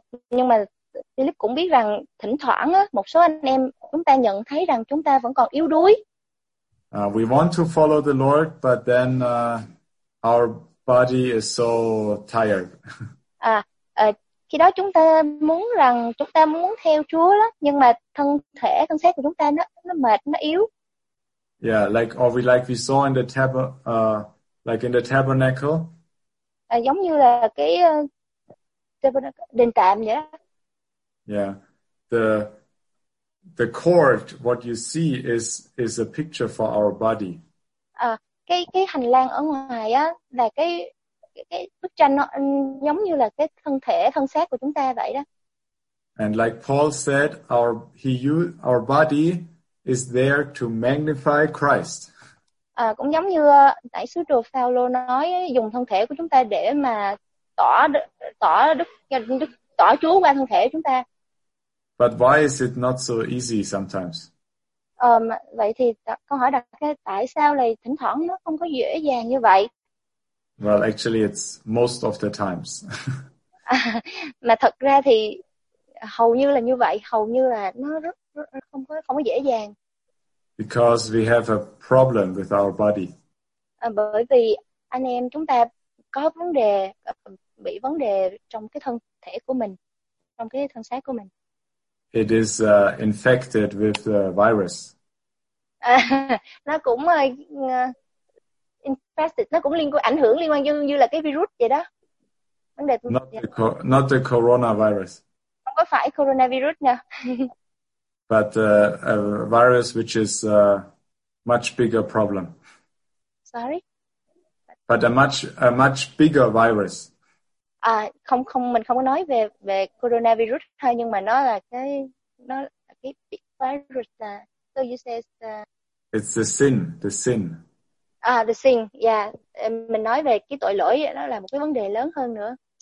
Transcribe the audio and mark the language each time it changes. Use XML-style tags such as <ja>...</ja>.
<vi>Nhưng mà Philip cũng biết rằng thỉnh thoảng á, một số anh em chúng ta nhận thấy rằng chúng ta vẫn còn yếu đuối.</vi> <en>We want to follow the Lord, but then our body is so tired.</en> <vi>Khi đó chúng ta muốn rằng chúng ta muốn theo Chúa đó, nhưng mà thân xác của chúng ta nó mệt, nó yếu.</vi> <en>Yeah, like we saw in the tabernacle.</en> <vi>Giống như là cái đền tạm vậy.</vi> <en>Yeah. The cord, what you see is a picture for our body.</en> <vi>Cái hành lang ở ngoài á là cái bức tranh nó giống như là cái thân thể, thân xác của chúng ta vậy đó.</vi> <en>And like Paul said, our body is there to magnify Christ.</en> <vi>Cũng giống như nãy sứ đồ Phaolô nói, dùng thân thể của chúng ta để mà tỏ Chúa qua thân thể của chúng ta.</vi> <en>But why is it not so easy sometimes?</en> <vi>Vậy thì câu hỏi đặt ra, tại sao lại thỉnh thoảng nó không có dễ dàng như vậy?</vi> <en>Well, actually it's most of the times.</en> <vi>Mà thật ra thì hầu như là như vậy, hầu như là nó rất không có dễ dàng.</vi> <en>Because we have a problem with our body.</en> <vi>Bởi vì anh em chúng ta có vấn đề, bị vấn đề trong cái thân thể của mình, trong cái thân xác của mình.</vi> <en>it is infected with the virus.</en> <vi>Nó cũng infected, nó cũng liên quan, ảnh hưởng liên quan như như là cái virus vậy đó. Vấn đề</vi> <en>not the coronavirus.</en> <vi>Không có phải coronavirus nha.</vi> <en>But a virus which is a much bigger problem. Sorry. But a much bigger virus.</en> <vi>À, không không mình không có nói về về coronavirus thôi, nhưng mà nó là cái</vi> <en>big virus. So you say it's the sin. The sin. Yeah.</en> <vi>Mình nói về cái tội lỗi, nó là một cái vấn đề lớn hơn nữa.</vi>